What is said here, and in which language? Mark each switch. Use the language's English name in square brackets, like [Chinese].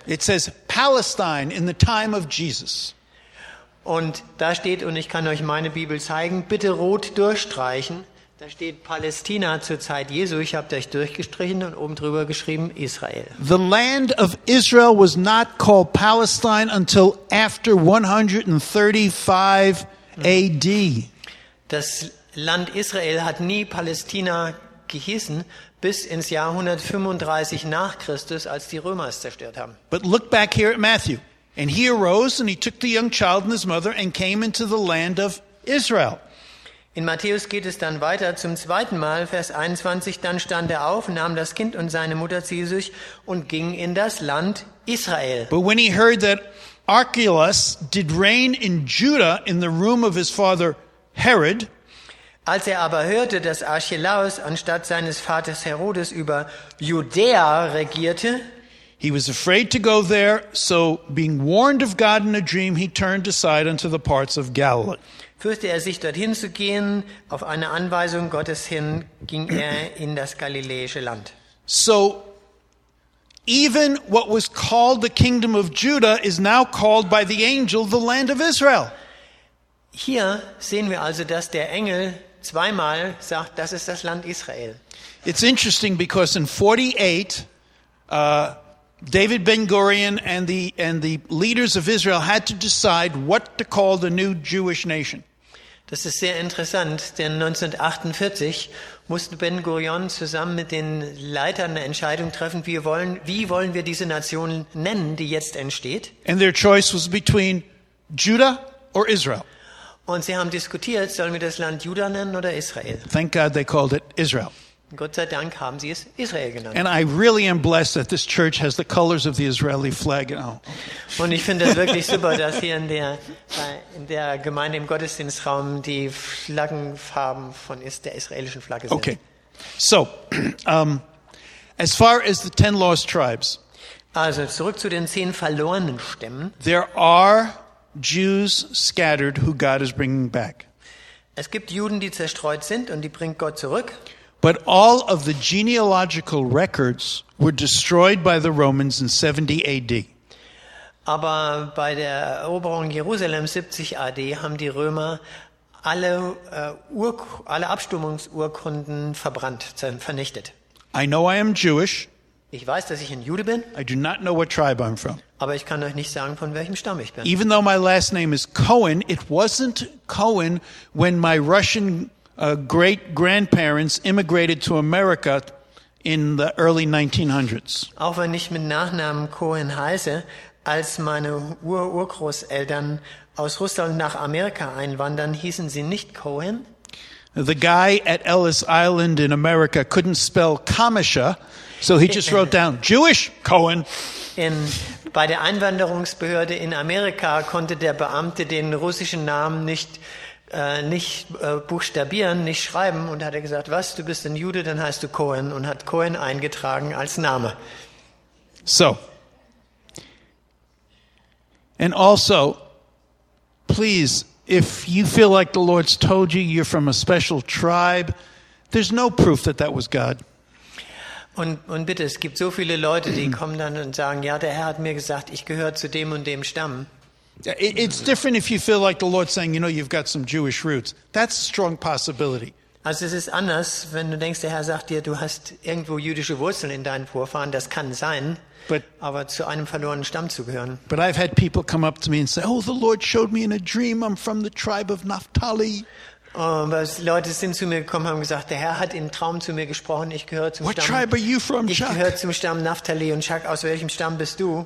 [English] It says Palestine in the time of Jesus. [German] Und da steht, und ich kann euch meine Bibel zeigen, bitte rot durchstreichen. Da steht Palästina zur Zeit Jesu. Ich habe euch durchgestrichen und oben drüber geschrieben Israel. [English] The land of Israel was not called Palestine until after 135 AD. [German] Das Land Israel hat nie Palästina geheißen bis ins Jahr 135 nach Christus, als die Römer es zerstört haben. [English] But look back here at Matthew. And he arose and he took the young child and his mother and came into the land of Israel. [German] In Matthäus geht es dann weiter zum zweiten Mal, Vers 21, dann stand er auf, nahm das Kind und seine Mutter zu sich und ging in das Land Israel. [English] But when he heard that Archelaus did reign in Judah in the room of his father Herod, [German] als er aber hörte, dass Archelaus anstatt seines Vaters Herodes über Judäa regierte, [English] he was afraid to go there, so being warned of God in a dream, he turned aside unto the parts of Galilee. [German] Fürchte er sich, dorthin zu gehen, auf eine Anweisung Gottes hin, ging er in das galiläische Land. [English] So, even what was called the kingdom of Judah is now called by the angel the land of Israel. [German] Hier sehen wir also, dass der Engel zweimal sagt, das ist das Land Israel. [English] It's interesting because in 48 David Ben-Gurion and the leaders of Israel had to decide what to call the new Jewish nation. [German] Das ist sehr interessant, denn 1948 mussten Ben-Gurion zusammen mit den Leitern eine Entscheidung treffen, wie wollen wir diese Nation nennen, die jetzt entsteht? [English] And their choice was between Judah or Israel. [German] Und sie haben diskutiert, sollen wir das Land Juda nennen oder Israel? [English] Thank God they called it Israel. [German] Gott sei Dank haben sie es Israel genannt. [English] And I really am blessed that this church has the colors of the Israeli flag. Oh. [German] Und ich finde es wirklich super, dass hier in der Gemeinde im Gottesdienstraum die Flaggenfarben der israelischen Flagge sind. [English] Okay. So, as far as the 10 lost tribes. [German] Also zurück zu den 10 verlorenen Stämmen. [English] There are Jews scattered who God is bringing back. [German] Es gibt Juden, die zerstreut sind und die bringt Gott zurück. [English] But all of the genealogical records were destroyed by the Romans in 70 AD. [German] Aber bei der Eroberung Jerusalem 70 AD haben die Römer alle Abstammungsurkunden verbrannt, vernichtet. [English] I know I am Jewish. [German] Ich weiß, dass ich ein Jude bin. [English] I do not know what tribe I'm from. [German] Aber ich kann euch nicht sagen, von welchem Stamm ich bin. [English] Even though my last name is Cohen, it wasn't Cohen when my Russian great-grandparents immigrated to America in the early 1900s. [German] Auch wenn ich mit Nachnamen Cohen heiße, als meine Ururgroßeltern aus Russland nach Amerika einwandern, hießen sie nicht Cohen. [English] The guy at Ellis Island in America couldn't spell Kamisha, so he just wrote down Jewish Cohen. [German] Bei der Einwanderungsbehörde in Amerika konnte der Beamte den russischen Namen nicht schreiben und hat gesagt, was, du bist ein Jude, dann heißt du Cohen und hat Cohen eingetragen als Name. [English] So. And also, please, if you feel like the Lord's told you you're from a special tribe, there's no proof that that was God. [German] Und bitte, es gibt so viele Leute, die kommen dann und sagen, ja, der Herr hat mir gesagt, ich gehöre zu dem und dem Stamm. [English] It's different if you feel like the Lord saying, you know, you've got some Jewish roots. That's a strong possibility. [German] Also es ist anders, wenn du denkst, der Herr sagt dir, du hast irgendwo jüdische Wurzeln in deinen Vorfahren, das kann sein, aber zu einem verlorenen Stamm zu gehören. [English] But I've had people come up to me and say, oh, the Lord showed me in a dream, I'm from the tribe of Naphtali. [German] Was Leute sind zu mir gekommen und haben gesagt, der Herr hat im Traum zu mir gesprochen, ich gehöre zum [English] What [German] Stamm. [English] Tribe are you from, [German] ich [English] Chuck? [German] Gehöre zum Stamm Naphtali und Chuck, aus welchem Stamm bist du?